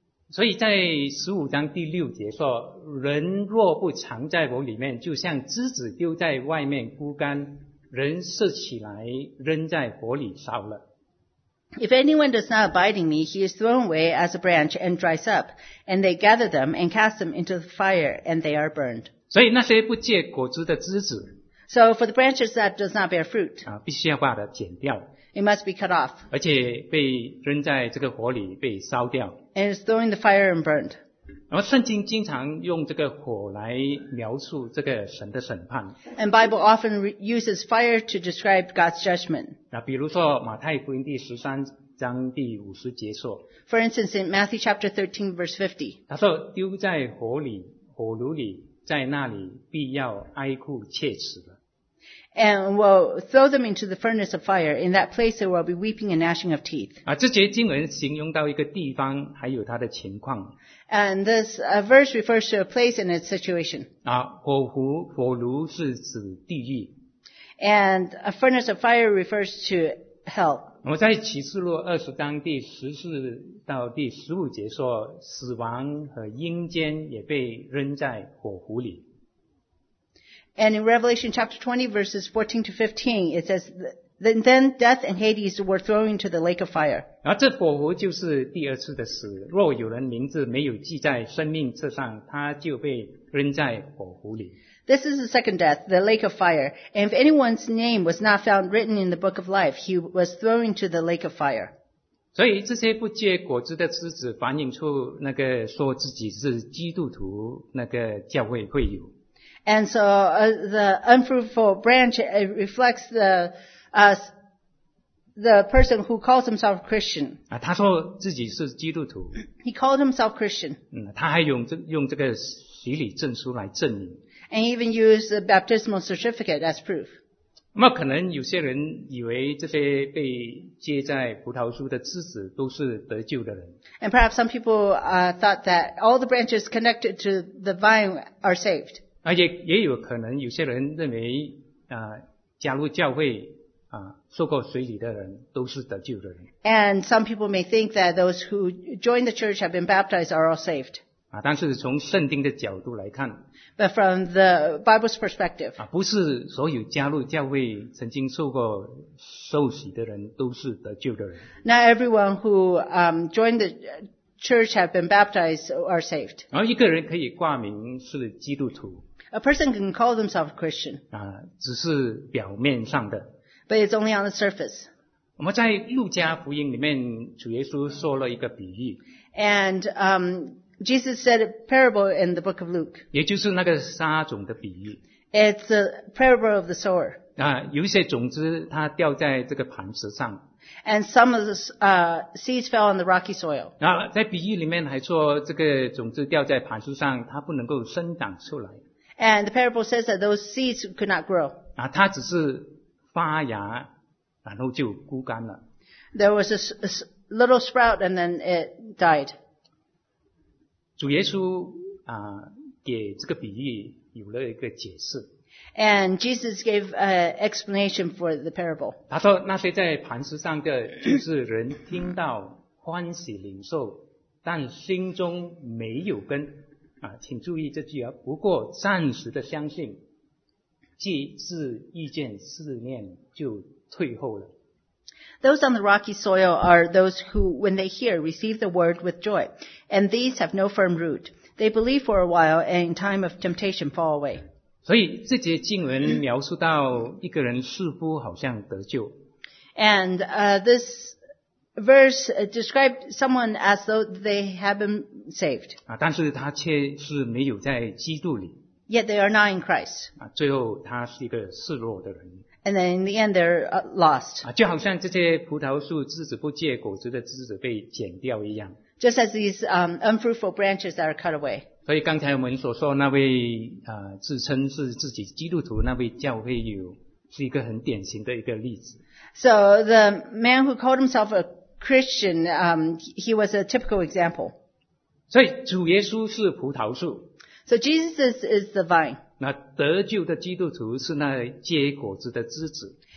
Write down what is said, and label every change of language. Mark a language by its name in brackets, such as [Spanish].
[Chinese] 所以在十五章第六节说，人若不藏在我里面，就像枝子丢在外面枯干，人拾起来扔在火里烧了。 [English] If anyone does not abide in me, he is thrown away as a branch and dries up, and they gather them and cast them into the fire, and they are burned. [Chinese] 所以那些不结果子的枝子 [English] So for the branches that does not bear fruit, [Chinese] 必须要把它剪掉 [English] It must be cut off. [Chinese] 而且被扔在这个火里被烧掉 [English] And is thrown in the fire and burned. [Chinese] 然后圣经经常用这个火来描述这个神的审判 [English] And Bible often uses fire to describe God's judgment. [Chinese] 那比如说马太福音第十三章第五十节说 [English] For instance, in Matthew chapter 13, verse 50, [Chinese] 他说丢在火里火炉里在那里必要哀哭切齿了 [English] And will throw them into the furnace of fire. In that place there will be weeping and gnashing of teeth. [Chinese] 这节经文形容到一个地方还有它的情况。 [English] And this verse refers to a place and its situation. [Chinese] 火炉是指地狱。 [English] And a furnace of fire refers to hell. [Chinese] 我在启示录二十章第十四到第十五节说，死亡和阴间也被扔在火湖里。 [English] And in Revelation chapter 20, verses 14 to 15, it says, Then death and Hades were thrown into the lake of fire. [Chinese] 然后这火湖就是第二次的死。若有人名字没有记在生命册上，他就被扔在火湖里。 [English] This is the second death, the lake of fire. And if anyone's name was not found written in the book of life, he was thrown into the lake of fire. [Chinese] 所以这些不结果子的枝子反映出那个说自己是基督徒那个教会会友。 [English] And so the unfruitful branch reflects the person who calls himself Christian. [Chinese] 他说自己是基督徒。 [English] He called himself Christian. [Chinese] 他还用这个洗礼证书来证明。 [English] And even use the baptismal certificate as proof. [Chinese] 那可能有些人以为这些被接在葡萄树的枝子都是得救的人。 [English] And perhaps some people thought that all the branches connected to the vine are saved. [Chinese] 也有可能有些人认为加入教会受过洗礼的人都是得救的人。 [English] And some people may think that those who joined the church have been baptized are all saved. [Chinese] 但是从圣经的角度来看 [English] But from the Bible's perspective, [Chinese] 不是所有加入教会曾经受过受洗的人都是得救的人。 [English] Not everyone who joined the church have been baptized are saved. [Chinese] 然后一个人可以挂名是基督徒 [English] A person can call themselves a Christian. [Chinese] 只是表面上的。 [English] But it's only on the surface. [Chinese] 我们在路加福音里面主耶稣说了一个比喻。 [English] And Jesus said a parable in the book of Luke. [Chinese] 也就是那个撒种的比喻。 [English] It's a parable of the sower. [Chinese] 啊，有一些种子它掉在这个磐石上。 [English] And some of the seeds fell on the rocky soil. [Chinese] 啊，在比喻里面还说这个种子掉在磐石上，它不能够生长出来。 [English] And the parable says that those seeds could not grow. [Chinese] 啊，它只是发芽，然后就枯干了。 [English] There was a little sprout and then it died. [Chinese] 主耶稣啊，给这个比喻有了一个解释。 [English] And Jesus gave an explanation for the parable. [Chinese] 他说那些在磐石上的就是人听到欢喜领受但心中没有根啊，请注意这句啊，不过暂时的相信既是遇见试炼就退后了。 [English] Those on the rocky soil are those who, when they hear, receive the word with joy. And these have no firm root. They believe for a while, and in time of temptation fall away. [Chinese] 所以这节经文描述到一个人似乎好像得救。 [English] And this verse described someone as though they have been saved. [Chinese] 但是他却是没有在基督里。 [English] Yet they are not in Christ. [Chinese] 最后他是一个示弱的人。 [English] And then in the end, they're lost. [Chinese] 就好像这些葡萄树枝子不结果子的枝子被剪掉一样。 [English] Just as these unfruitful branches are cut away. [Chinese] 所以刚才我们所说那位自称是自己基督徒那位教会友是一个很典型的一个例子。 [English] So the man who called himself a Christian, he was a typical example. [Chinese] 所以主耶稣是葡萄树。 [English] So Jesus is the vine. [Chinese] 那得救的基督徒是那结果子的枝子。